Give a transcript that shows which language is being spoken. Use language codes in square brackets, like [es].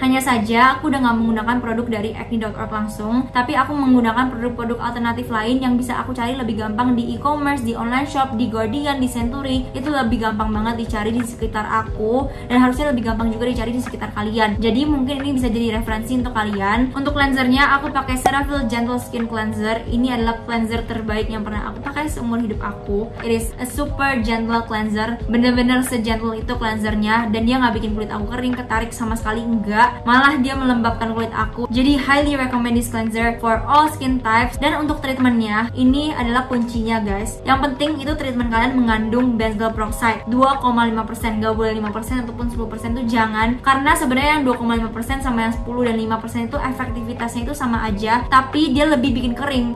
[id] Hanya saja aku udah gak menggunakan produk dari acne.org langsung, tapi aku menggunakan produk-produk alternatif lain yang bisa aku cari lebih gampang di e-commerce, di online shop, di Guardian, di Century. Itu lebih gampang banget dicari di sekitar aku, dan harusnya lebih gampang juga dicari di sekitar kalian. Jadi mungkin ini bisa jadi referensi untuk kalian. Untuk cleansernya, aku pakai Cetaphil Gentle Skin Cleanser. Ini adalah cleanser terbaik yang pernah aku pakai seumur hidup aku. [en] It is a super gentle cleanser. [id] Bener-bener se-gentle itu cleansernya, dan dia gak bikin kulit aku kering, ketarik sama sekali, enggak. Malah dia melembabkan kulit aku. Jadi [en] highly recommend this cleanser for all skin types. [id] Dan untuk treatmentnya, ini adalah kuncinya guys. Yang penting itu treatment kalian mengandung benzoyl peroxide 2,5%, gak boleh 5% ataupun 10% tuh jangan. Karena sebenarnya yang 2,5% sama yang 10% dan 5% itu efektivitasnya itu sama aja, tapi dia lebih bikin kering.